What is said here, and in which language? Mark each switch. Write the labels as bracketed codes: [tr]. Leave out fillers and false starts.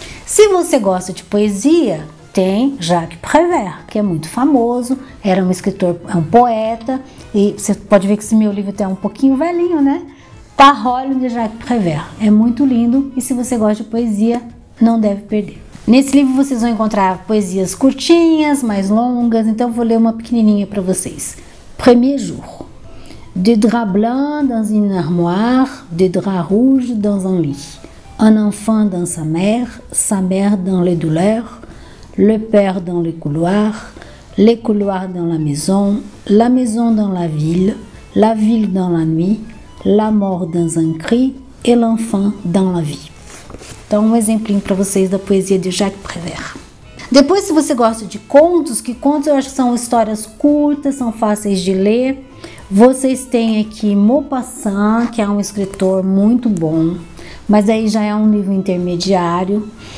[pt] Se você gosta de poesia, tem Jacques Prévert, que é muito famoso, era um escritor, é um poeta, e você pode ver que esse meu livro tá um pouquinho velhinho, né? Parole de Jacques Prévert, é muito lindo, e se você gosta de poesia, não deve perder. Nesse livro vocês vão encontrar poesias curtinhas, mais longas, então vou ler uma pequenininha para vocês. [fr] Premier jour. Des draps blancs dans une armoire, des draps rouges dans un lit. Un enfant dans sa mère dans les douleurs, le père dans les couloirs dans la maison dans la ville dans la nuit, la mort dans un cri et l'enfant dans la vie. [pt] Então, um exemplinho para vocês da poesia de Jacques Prévert. Depois, se você gosta de contos, que contos eu acho que são histórias curtas, são fáceis de ler, vocês têm aqui Maupassant, que é um escritor muito bom, mas aí já é um livro intermediário.